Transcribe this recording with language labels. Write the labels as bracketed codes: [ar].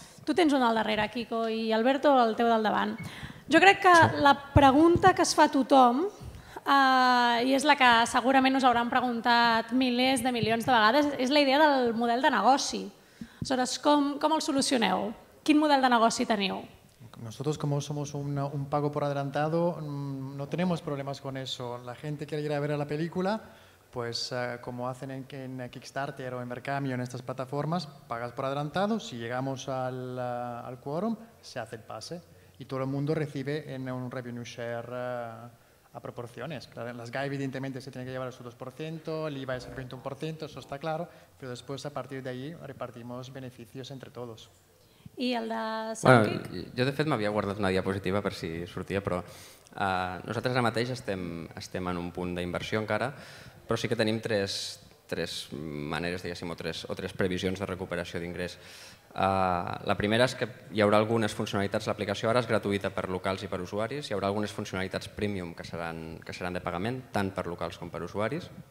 [ca] Tu tens un al darrere, Kiko, i Alberto el teu del davant. Jo crec que la pregunta que es fa a tothom, i és la que segurament us hauran preguntat milers de milions de vegades, és la idea del model de negoci. Aleshores, com el solucioneu? Quin model de negoci teniu? [es] Nosotros, como somos un pago por adelantado, no tenemos problemas con eso. La gente quiere ir a ver la película, pues como hacen en Kickstarter o en Mercami o en estas plataformas, pagas por adelantado, si llegamos al quórum, se hace el pase y todo el mundo recibe en un revenue share a proporciones. Claro, las GAE evidentemente se tienen que llevar su 2%, el IVA es el 21%, eso está claro, pero después a partir de ahí repartimos beneficios entre todos. [ca] I el de Soundkick? Bueno, jo de fet m'havia guardat una diapositiva per si sortia, però nosaltres ara mateix estem en un punt d'inversió encara, però sí que tenim tres maneres, diguéssim, o tres previsions de recuperació d'ingrés. La primera és que hi haurà algunes funcionalitats, l'aplicació ara és gratuïta per locals i per usuaris, hi haurà algunes funcionalitats premium que seran de pagament, tant per locals com per usuaris.